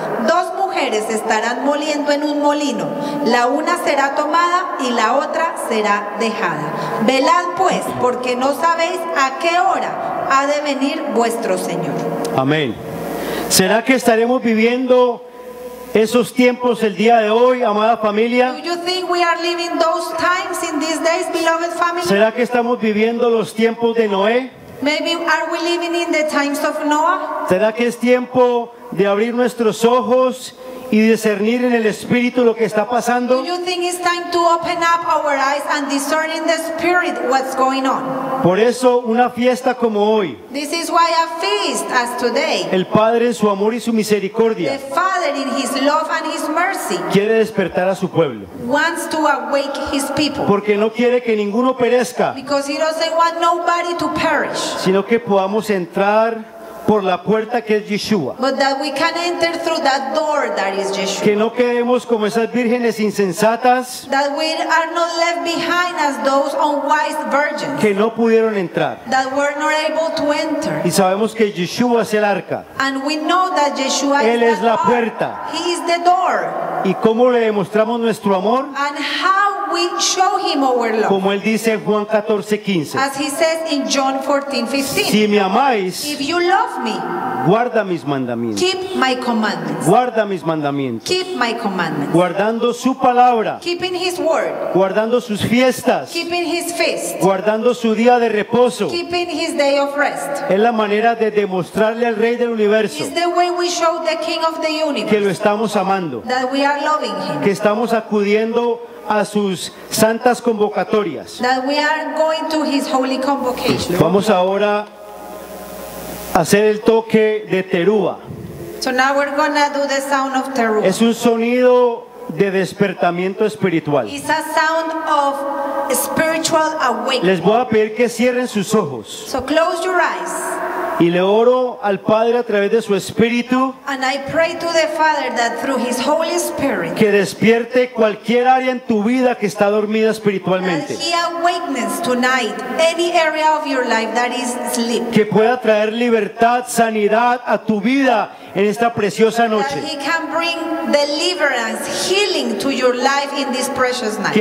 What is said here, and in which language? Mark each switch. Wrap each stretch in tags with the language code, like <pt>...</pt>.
<es>Dos mujeres estarán moliendo en un molino, la una será tomada y la otra será dejada. Velad pues, porque no sabéis a qué hora ha de venir vuestro Señor. Amén. ¿Será que estaremos viviendo esos tiempos el día de hoy, amada familia?</es> <en>Do you think we are living those times in these days, beloved family?</en> <es>¿Será que estamos viviendo los tiempos de Noé?</es> <en>Maybe are we living in the times of Noah?</en> <es>¿Será que es tiempo de abrir nuestros ojos y discernir en el espíritu lo que está pasando?</es> <en>Do you think it's time to open up our eyes and discern in the spirit what's going on?</en> <es>Por eso una fiesta como hoy.</es> <en>This is why a feast as today.</en> <es>El Padre en su amor y su misericordia.</es> <en>The Father in his love and his mercy.</en> <es>Quiere despertar a su pueblo.</es> <en>Wants to awake his people.</en> <es>Porque no quiere que ninguno perezca.</es> <en>Because he doesn't want nobody to perish.</en> <es>Sino que podamos entrar por la puerta que es Yeshua.</es> <en>But that we can enter through that door that is Yeshua.</en> <es>Que no quedemos como esas vírgenes insensatas.</es> <en>That we are not left behind as those unwise virgins.</en> <es>Que no pudieron entrar.</es> <en>That were not able to enter.</en> <es>Y sabemos que Yeshua es el arca.</es> <en>And we know that Yeshua</en> <es>Él es la puerta.</es> <en>He is the door.</en> <es>¿Y cómo le demostramos nuestro amor?</es> <en>And how we show him our love.</en> <es>Como él dice en Juan 14:15.</es> <en>As he says in John 14:15.</en> <es>Si me amáis,</es> <en>if you love me,</en> <es>guarda mis mandamientos.</es> <en>Keep my commandments.</en> <es>Guarda mis mandamientos.</es> <en>Keep my commandments.</en> <es>Guardando su palabra.</es> <en>Keeping his word.</en> <es>Guardando sus fiestas.</es> <en>Keeping his feast.</en> <es>Guardando su día de reposo.</es> <en>Keeping his day of rest.</en> <es>Es la manera de demostrarle al Rey del Universo.</es> <en>It's the way we show the King of the Universe.</en> <es>Que lo estamos amando.</es> <en>That we are loving him.</en> <es>Que estamos acudiendo a sus santas convocatorias.</es> <en>That we are going to his holy convocation.</en> <es>Vamos ahora a hacer el toque de terúa.</es> <en>So now we're gonna do the sound of Teruah.</en> <es>Es un sonido de despertamiento espiritual.</es> <en>It's a sound of spiritual awakening.</en> <es>Les voy a pedir que cierren sus ojos.</es> <en>So close your eyes.</en> <es>Y le oro al Padre a través de su Espíritu.</es> <en>And I pray to the Father that through His Holy Spirit,</en> <es>que despierte cualquier área en tu vida que está dormida espiritualmente.</es> <en>That He awakens tonight any area of your life that is asleep.</en> <es>Que pueda traer libertad, sanidad a tu vida en esta preciosa noche.</es> <en>That He can bring deliverance, healing to your life in this precious night.</en>